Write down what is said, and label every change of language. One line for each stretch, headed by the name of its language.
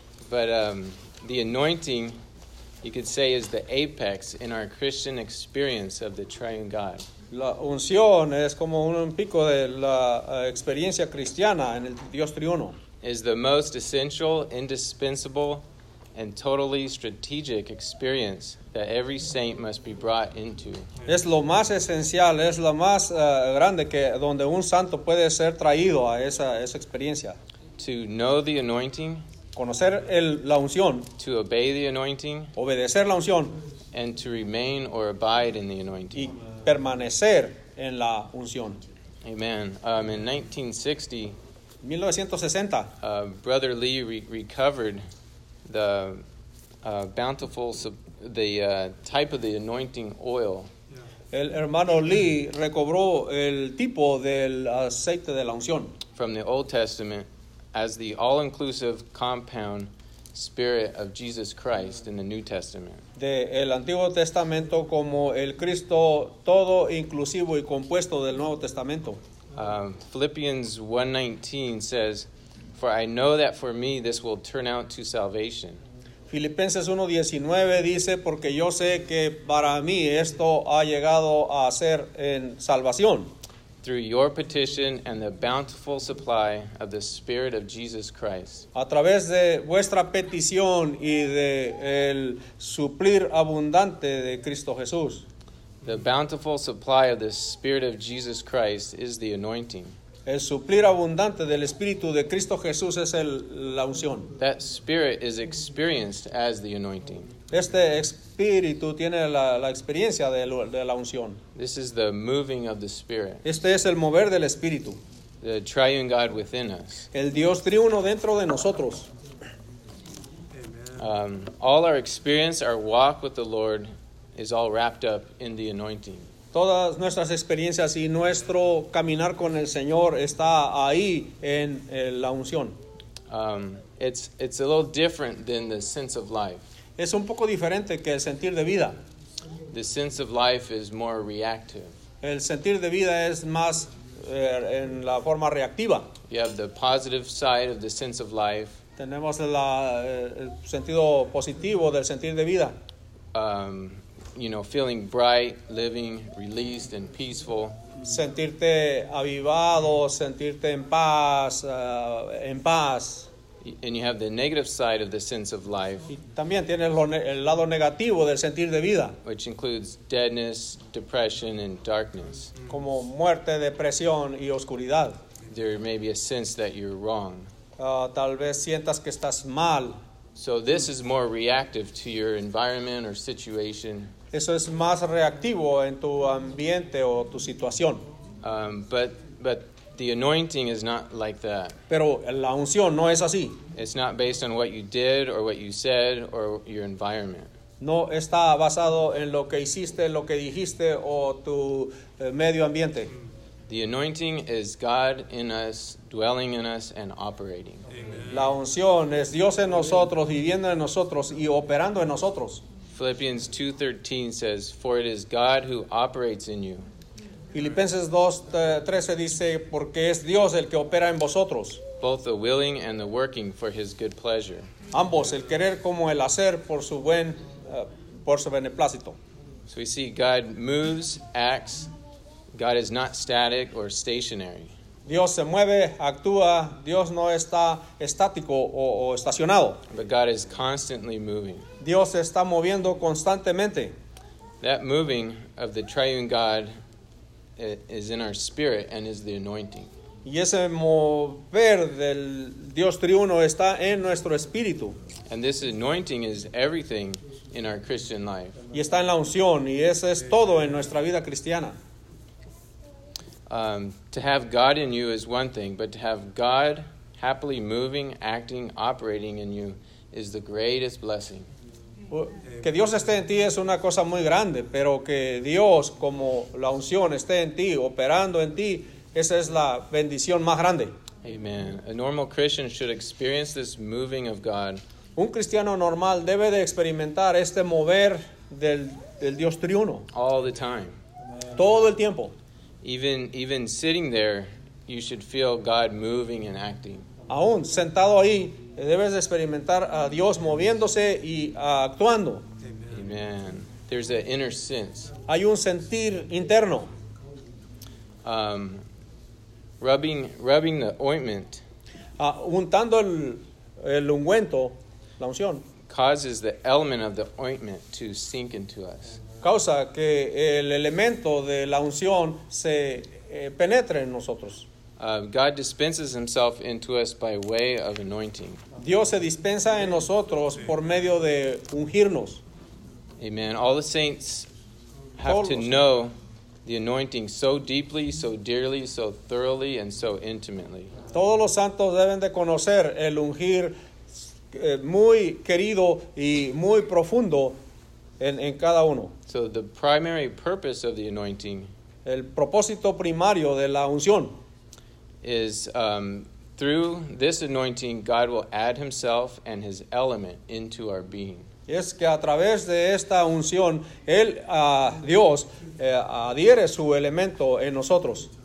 English: The anointing, you could say, is the apex in our Christian experience of the triune God.
Spanish: La unción es como un pico de la experiencia cristiana en el Dios triuno.
English: Is the most essential, indispensable, and totally strategic experience that every saint must be brought into.
Spanish: Es lo más esencial, es lo más grande que donde un santo puede ser traído a esa experiencia.
English: To know the anointing.
Spanish: Conocer la unción.
English: To obey the anointing.
Spanish: Obedecer la unción.
English: And to remain or abide in the anointing.
Spanish: Y permanecer en la unción.
English: Amen. In 1960.
Spanish: 1960.
English: Brother Lee recovered the bountiful type of the anointing oil.
Spanish: El hermano Lee recobró el tipo del aceite de la unción
English: from the Old Testament as the all-inclusive compound spirit of Jesus Christ in the New Testament.
Spanish: De el Antiguo Testamento como el Cristo todo inclusivo y compuesto del Nuevo Testamento.
English: Philippians 1:19 says, "For I know that for me this will turn out to salvation."
Spanish: Filipenses 1:19 dice, porque yo sé que para mí esto ha llegado a ser en salvación.
English: Through your petition and the bountiful supply of the Spirit of Jesus Christ.
Spanish: A través de vuestra petición y de el suplir abundante de Cristo Jesús.
English: The bountiful supply of the Spirit of Jesus Christ is the anointing.
Spanish: El suplir abundante del Espíritu de Cristo Jesús es la unción.
English: That spirit is experienced as the anointing.
Spanish: Este Espíritu tiene la experiencia de la unción.
English: This is the moving of the Spirit.
Spanish: Este es el mover del Espíritu.
English: The triune God within us.
Spanish: El Dios triuno dentro de nosotros.
English: Amen. All our experience, our walk with the Lord is all wrapped up in the anointing.
Spanish: Todas nuestras experiencias y nuestro caminar con el Señor está ahí en la unción.
English: It's a little different than the sense of life.
Spanish: Es un poco diferente que el sentir de vida.
English: The sense of life is more reactive.
Spanish: El sentir de vida es más en la forma reactiva.
English: You have the positive side of the sense of life.
Spanish: Tenemos el sentido positivo del sentir de vida.
English: You know, feeling bright, living, released, and peaceful.
Spanish: Sentirte avivado, sentirte en paz, en paz.
English: And you have the negative side of the sense of life.
Spanish: Y también tienes el lado negativo del sentir de vida.
English: Which includes deadness, depression, and darkness.
Spanish: Como muerte, depresión, y oscuridad.
English: There may be a sense that you're wrong.
Spanish: Tal vez sientas que estás mal.
English: So this is more reactive to your environment or situation.
Spanish: Eso es más reactivo en tu ambiente o tu situación.
English: But the anointing is not like that.
Spanish: Pero la unción no es así.
English: It's not based on what you did or what you said or your environment.
Spanish: No está basado en lo que hiciste, lo que dijiste o tu medio ambiente.
English: The anointing is God in us, dwelling in us, and operating. Amen.
Spanish: La unción es Dios en nosotros, viviendo en nosotros, y operando en nosotros.
English: Philippians 2:13 says, "For it is God who operates in you."
Spanish: Filipenses 2:13 dice, porque es Dios el que opera en vosotros.
English: Both the willing and the working for his good pleasure.
Spanish: Ambos, el querer como el hacer por su beneplácito.
English: So we see God moves, acts. God is not static or stationary.
Spanish: Dios se mueve, actúa. Dios no está estático o estacionado.
English: But God is constantly moving.
Spanish: Dios está moviendo constantemente.
English: That moving of the triune God is in our spirit and is the anointing.
Spanish: Y ese mover del Dios triuno está en nuestro espíritu.
English: And this anointing is everything in our Christian life.
Spanish: Y está en la unción, y ese es todo en nuestra vida cristiana.
English: To have God in you is one thing, but to have God happily moving, acting, operating in you is the greatest blessing.
Spanish: Que Dios esté en ti es una cosa muy grande, pero que Dios, como la unción, esté en ti, operando en ti, esa es la bendición más grande.
English: Amen. A normal Christian should experience this moving of God.
Spanish: Un cristiano normal debe de experimentar este mover del Dios triuno.
English: All the time.
Spanish: Todo el tiempo.
English: Even sitting there, you should feel God moving and acting.
Spanish: Aún sentado ahí, debes de experimentar a Dios moviéndose y actuando.
English: Amen. There's an inner sense.
Spanish: Hay un sentir interno.
English: Rubbing the ointment.
Spanish: Untando el ungüento, la unción.
English: Causes the element of the ointment to sink into us.
Spanish: Causa que el elemento de la unción se penetre en nosotros.
English: God dispenses himself into us by way of anointing.
Spanish: Dios se dispensa en nosotros por medio de ungirnos.
English: Amen. All the saints have to know the anointing so deeply, so dearly, so thoroughly, and so intimately.
Spanish: Todos los santos deben de conocer el ungir muy querido y muy profundo en cada uno.
English: So the primary purpose of the anointing,
Spanish: el propósito primario de la unción,
English: is through this anointing, God will add himself and his element into our being.
Spanish: Es que a través de esta unción, Dios adhiere su elemento en nosotros.